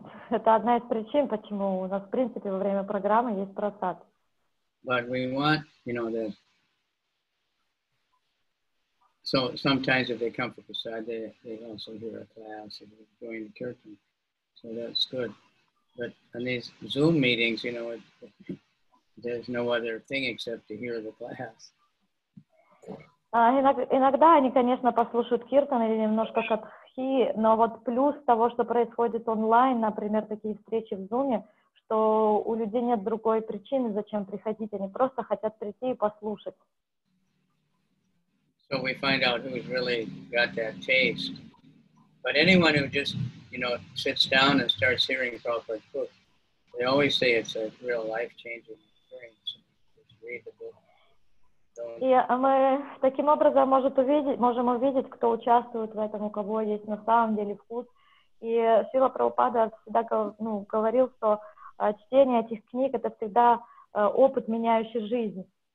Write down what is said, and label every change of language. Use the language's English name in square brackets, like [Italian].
[Russian] Это одна из причин, почему у нас, в принципе, во время программы есть просад. [English] But we want, you know, that... So sometimes if they come for prasad, they also hear a class and join the kirtan. So that's good. But on these Zoom meetings, you know, there's no other thing except to hear the class. [Russian] Иногда они, конечно, послушают киртан или немножко катхи, но вот плюс того, что происходит онлайн, например, такие встречи в Зуме, что у людей нет другой причины, зачем приходить, они просто хотят прийти и послушать. [English] So we find out who's really got that taste. But anyone who just, you know, sits down and starts hearing Prabhupada's book, they always say it's a real life-changing experience. Just read the book. [Russian] И мы таким образом можем увидеть, кто участвует в этом, у кого есть на самом деле вкус. И Шрила Прабхупада всегда говорил, что чтение этих книг — это всегда опыт, меняющий жизнь.